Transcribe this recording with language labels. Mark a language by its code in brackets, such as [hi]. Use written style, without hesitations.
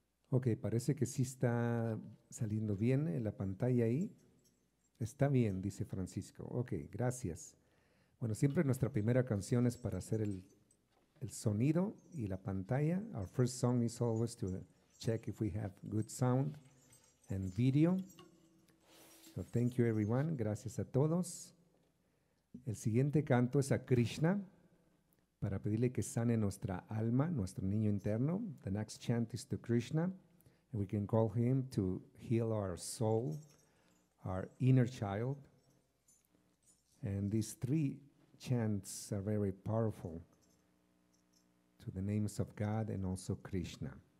[es] Ok, parece que sí está saliendo bien en la pantalla ahí. Está bien, dice Francisco. Ok, gracias. Bueno, siempre nuestra primera canción es para hacer el sonido y la pantalla. [en] Our first song is always to check if we have good sound and video. So thank you everyone, [es] gracias a todos. El siguiente canto es a Krishna, para pedirle que sane nuestra alma, nuestro niño interno. [en] The next chant is to Krishna. And we can call him to heal our soul, our inner child. And these three chants are very powerful to the names of God and also Krishna.